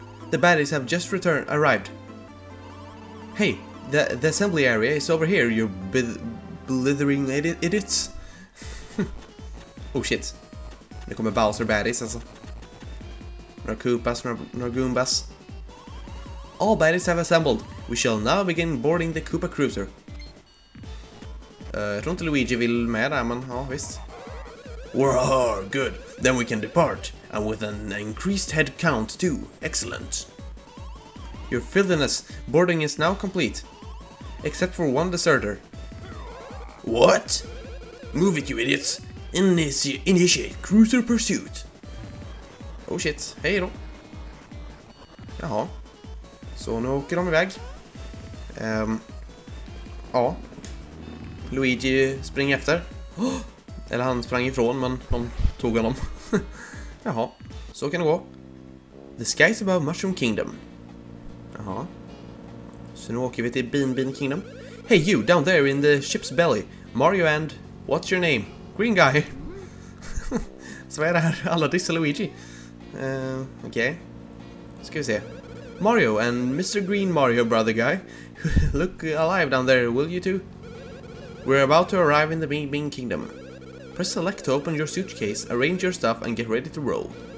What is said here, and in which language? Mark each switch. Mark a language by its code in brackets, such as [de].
[en] The baddies have just arrived. Hey, the assembly area is over here, you blithering idiots. Oh shit. [sv] Nu kommer Bowser baddies alltså. Några Koopas, några Goombas. [en] All baddies have assembled. We shall now begin boarding the Koopa Cruiser. [sv] Jag tror inte Luigi vill med där, men ja, visst. [en] Warhar, good. Then we can depart. And with an increased head count too. Excellent. Your filthiness, boarding is now complete. Except for one deserter. What? Move it, you idiots. Initiate cruiser pursuit. Oh shit, [sv] hej då. Jaha. Så nu åker de iväg. Ja. Luigi springer efter. Eller han sprang ifrån, men de tog honom. Jaha, så kan det gå. [en] The skies above Mushroom Kingdom. [sv] Jaha. Så nu åker vi till Bean Bean Kingdom. [en] Hey you, down there in the ship's belly. Mario and... What's your name? Green guy. [sv] Så vad är det här? Alla dissa Luigi. Okej. Okay. Ska vi se. [en] Mario and Mr. Green Mario brother guy. Look alive down there, will you two? We're about to arrive in the Bean Kingdom. Press select to open your suitcase, arrange your stuff, and get ready to roll.